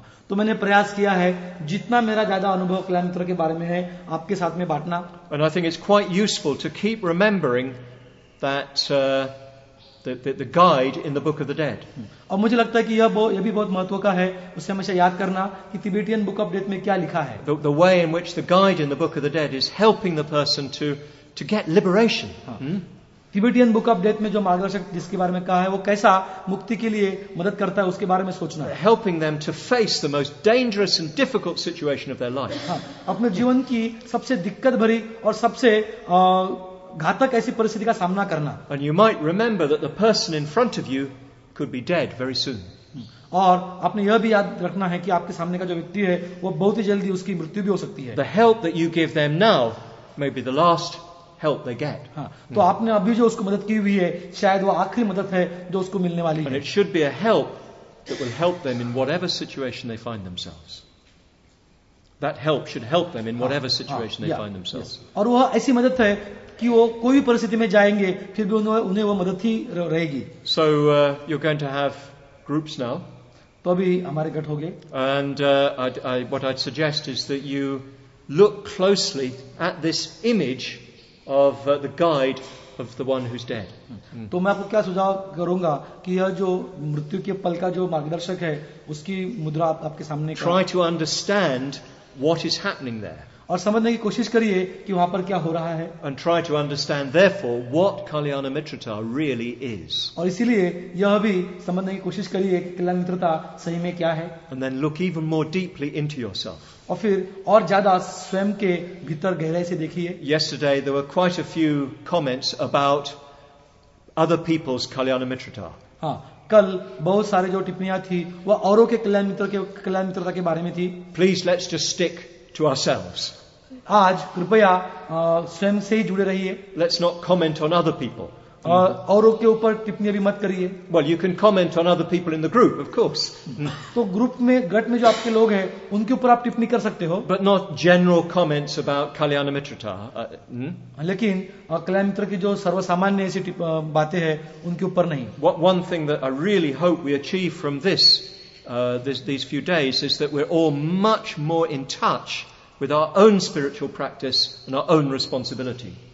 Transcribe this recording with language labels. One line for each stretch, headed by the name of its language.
Hindi: तो मैंने प्रयास किया है जितना मेरा ज्यादा अनुभव कल्याणमित्रता के बारे में है आपके साथ में बांटना.
English: And I think it's quite useful to keep remembering that the guide in the Book of the Dead.
Hindi: और मुझे लगता है कि यह भी बहुत महत्व का है उसे हमेशा याद करना कि तिबेटियन बुक ऑफ डेथ में क्या लिखा है.
English: The way in which the guide in the Book of the Dead is helping the person to get liberation.
Hindi: Tibetan book of death में जो मार्गदर्शक जिसके बारे में कहा है वो कैसा मुक्ति के लिए मदद करता है उसके बारे में सोचना है.
English: Helping them to face the most dangerous and difficult situation of their life.
Hindi: अपने जीवन की सबसे दिक्कत भरी और सबसे घातक ऐसी परिस्थिति का सामना करना.
English: And you might remember that the person in front of you could be dead very soon.
Hindi: और आपने यह भी याद रखना है कि आपके सामने का जो व्यक्ति है वो बहुत ही जल्दी उसकी मृत्यु भी हो सकती है.
English: The help that you give them now may be the last help they get.
Hindi: तो आपने अभी जो उसको मदद की हुई है शायद वो आखिरी मदद है जो उसको मिलने वाली है.
English: And it should be a help that will help them in whatever situation they find themselves. That help should help them in whatever situation they find themselves.
Hindi: और वह ऐसी मदद है कि वो कोई भी परिस्थिति में जाएंगे फिर भी उन्हें वो मदद ही रहेगी.
English: So you're going to have groups now.
Hindi: तो अभी हमारे गठ हो गए.
English: And what I'd suggest is that you look closely at this image of the guide of the one who's dead.
Hindi: तो मैं आपको क्या सुझाव करूंगा कि यह जो मृत्यु के पल का जो मार्गदर्शक है उसकी मुद्रा आपके सामने.
English: Try to understand what is happening there.
Hindi: और समझने की कोशिश करिए कि वहां पर क्या हो रहा है.
English: And try to understand therefore what Kalyanamitrata really is.
Hindi: और इसीलिए यह भी समझने की कोशिश करिए कि कल्याणमित्रता सही में क्या है.
English: And then look even more deeply into yourself.
Hindi: और फिर और ज्यादा स्वयं के भीतर गहराई से देखिए.
English: Yesterday there were quite a few comments about other people's Kalyanamitrata.
Hindi: हाँ, कल बहुत सारे जो टिप्पणियां थी वह औरों के कल्याणमित्रता के बारे में थी.
English: Please let's just stick to ourselves.
Hindi: आज कृपया स्वयं से ही जुड़े रहिए.
English: Let's not comment on other people.
Hindi: औरों के ऊपर टिप्पणियां भी मत करिए.
English: Well, you can comment on other people in the group, of course.
Hindi: तो ग्रुप में गठ में जो आपके लोग हैं उनके ऊपर आप टिप्पणी कर सकते हो.
English: But not general comments about Kalyanamitrata.
Hindi: लेकिन कल्याणमित्र की जो सर्वसामान्य ऐसी बातें हैं उनके ऊपर नहीं.
English: What one thing that I really hope we achieve from this these few days is that we're all much more in touch with our own spiritual practice and our own responsibility.